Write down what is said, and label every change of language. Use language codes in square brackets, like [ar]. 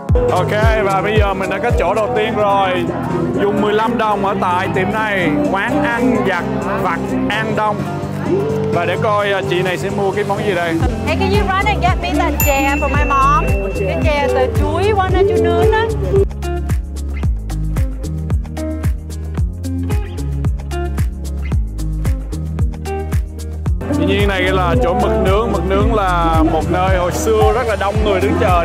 [vi] Ok, và bây giờ mình đã có chỗ đầu tiên rồi. Dùng 15 đồng ở tại tiệm này, quán ăn giặt vặt An Đông. Và để coi chị này sẽ mua cái món gì đây. [en] Hey, can you run and get me the jam for my mom? [vi] Cái jam từ chuối, quán ăn chuối nướng á. Tuy nhiên này là chỗ mực nướng. Mực nướng là một nơi hồi xưa rất là đông người đứng chờ.